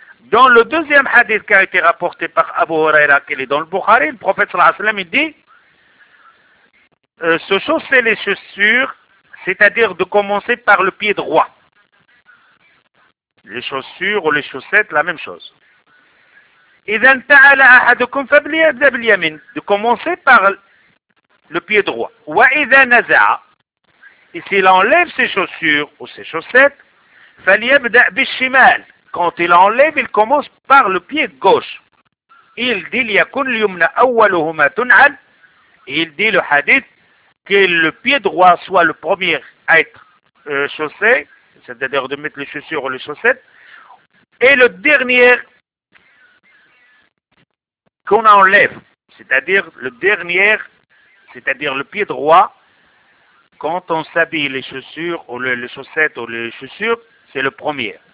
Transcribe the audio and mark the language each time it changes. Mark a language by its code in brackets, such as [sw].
[fr] Dans le deuxième hadith qui a été rapporté par Abu Huraira, qui est dans le Bukhari, le prophète sallallahu alayhi wa sallam, il dit se chausser les chaussures, c'est-à-dire de commencer par le pied droit. Les chaussures ou les chaussettes, la même chose. [ar] إذا انتعل أحدكم فليبدأ باليمين. [fr] De commencer par le pied droit. [ar] وإذا نزع. [fr] Et s'il enlève ses chaussures ou ses chaussettes, [ar] فليبدأ بالشمال. [fr] Quand il enlève, il commence par le pied gauche. Il dit [ar] ليكن اليمنى أولهما تنعل. [fr] Il dit le hadith que le pied droit soit le premier à être chaussé, c'est-à-dire de mettre les chaussures ou les chaussettes, et le dernier qu'on enlève, c'est-à-dire le dernier, c'est-à-dire le pied droit, quand on s'habille les chaussures, ou les chaussettes, ou les chaussures, c'est le premier.